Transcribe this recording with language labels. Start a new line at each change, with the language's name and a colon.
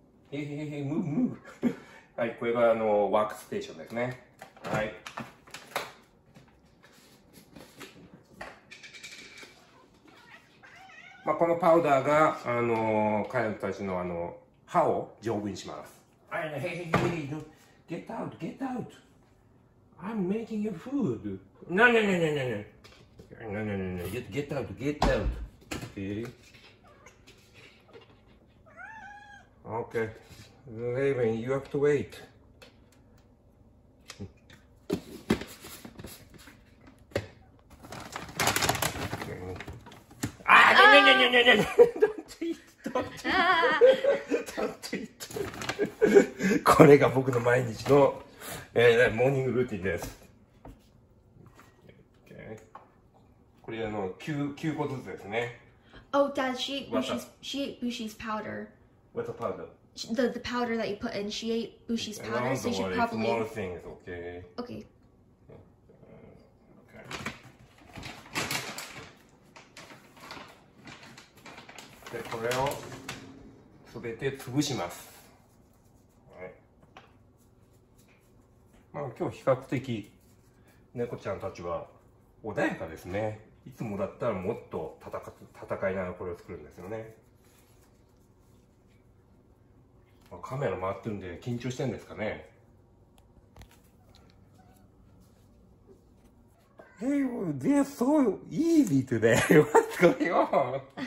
Japanese: へへへ、ムーム。はい、これがワークステーションですね。はい、まあ、このパウダーが彼女たちの歯を丈夫にします。
English: はい、へへへ、get out, get out, I'm making your food. No, no, no, no, no, no, no, no, no, no, no, no, get out, get out. Okay. Okay. Raven, you have to wait. Ah, no, no, no, no, no, no, don't eat, don't eat, don't eat.
Japanese: これが僕の毎日の、モーニングルーティンです。
English: okay.
Japanese: これ9個ずつですね。
English: Oh, Dad, she ate Bushi's powder. What's a powder? The powder that you put in. She ate Bushi's powder, okay, so she probably... It's more things, okay? Okay. Okay.
Japanese: で、これを全て潰します。今日比較的猫ちゃんたちは穏やかですね。いつもだったらもっと戦いながらこれを作るんですよね。カメラ回ってるんで緊張してるんですかね。
English: Hey, they're so easy today. What's going on?